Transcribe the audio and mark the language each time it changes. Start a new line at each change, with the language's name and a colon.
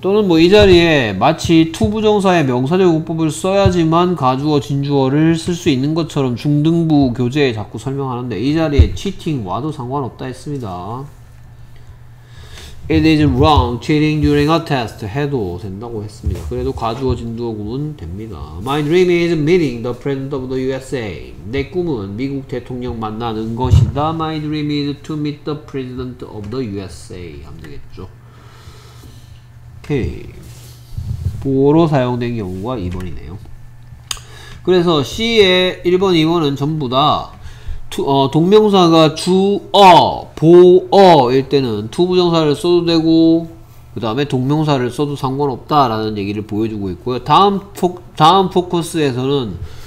Korean: 또는 뭐 이 자리에 마치 to 부정사의 명사적 문법을 써야지만 가주어 진주어를 쓸 수 있는 것처럼 중등부 교재에 자꾸 설명하는데 이 자리에 치팅 와도 상관없다 했습니다.
English: It is wrong cheating during a test 해도 된다고 했습니다.
Korean: 그래도 가주어 진주어 구문 됩니다.
English: My dream is meeting the president of the USA.
Korean: 내 꿈은 미국 대통령 만나는 것이다.
English: My dream is to meet the president of the USA 하면 되겠죠.
Korean: 오케이. 보어로 사용된 경우가 2번이네요. 그래서 C의 1번, 2번은 전부 다 동명사가 주어, 보어일 때는 to 부정사를 써도 되고 그 다음에 동명사를 써도 상관없다 라는 얘기를 보여주고 있고요. 다음 포커스에서는